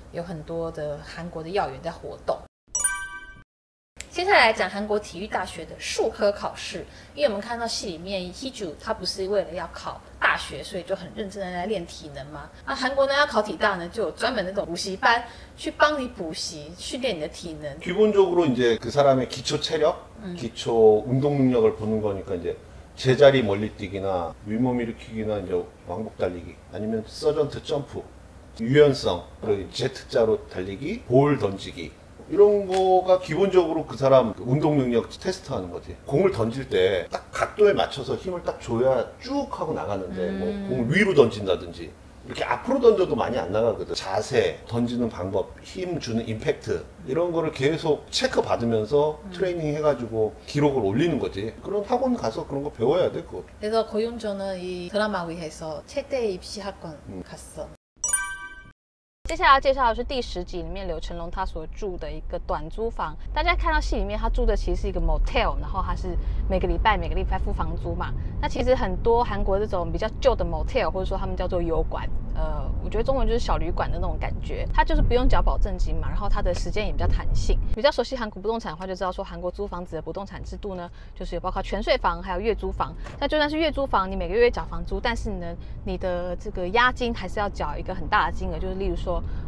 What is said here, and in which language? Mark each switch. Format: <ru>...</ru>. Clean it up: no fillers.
<zh>在戏里面的韩教授第一次出任务是在延边嘛，他也有说其实有蛮多药员是在中国的，因为韩国跟北韩就是现在关系大家也知道，所以说其实在东北地方呢就有很多的韩国的药员在活动。接下来讲韩国体育大学的术科考试，因为我们看到戏里面，Heju他不是为了要考大学，所以就很认真的在练体能嘛。那韩国呢要考体大呢，就有专门那种补习班去帮你补习，训练你的体能。</zh> <ko>기본적으로 이제 그 사람의 기초 체력, 기초 운동 능력을 보는 거니까 이제 제자리 멀리뛰기나 윗몸 일으키기나 이제 왕복 달리기 아니면 서전트 점프 유연성 그리고 Z자로 달리기 볼 던지기. 이런 거가 기본적으로 그 사람 운동 능력 테스트하는 거지. 공을 던질 때 딱 각도에 맞춰서 힘을 딱 줘야 쭉 하고 나가는데 뭐 공을 위로 던진다든지 이렇게 앞으로 던져도 많이 안 나가거든. 자세, 던지는 방법, 힘 주는 임팩트 이런 거를 계속 체크 받으면서 트레이닝 해가지고 기록을 올리는 거지. 그런 학원 가서 그런 거 배워야 돼, 그거. 그래서 고윤조는 이 드라마 위해서 최대 입시 학원 갔어.</ko> <zh>接下来要介绍的是第十集里面刘成龙他所住的一个短租房。大家看到戏里面他住的其实是一个 motel， 然后他是每个礼拜付房租嘛。那其实很多韩国这种比较旧的 motel， 或者说他们叫做油管，我觉得中文就是小旅馆的那种感觉，它就是不用缴保证金嘛，然后它的时间也比较弹性。比较熟悉韩国不动产的话，就知道说韩国租房子的不动产制度呢，就是有包括全税房，还有月租房。那就算是月租房，你每个月缴房租，但是呢，你的这个押金还是要缴一个很大的金额，就是例如说。</zh>